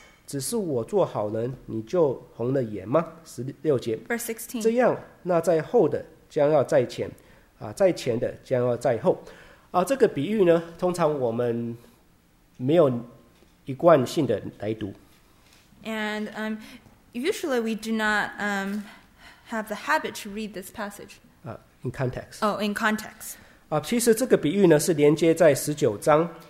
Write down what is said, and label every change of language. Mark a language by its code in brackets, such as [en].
[zh] 只是我做好人，你就红了眼吗？十六节 [en] ，verse sixteen， [zh] 这样，那在后的将要在前，啊，在前的将要在后，啊，这个比喻呢，通常我们没有一贯性的来读。 [en] And usually we do not have the habit to read this passage. In context. Oh, in context. [zh] 啊，其实这个比喻呢，是连接在十九章。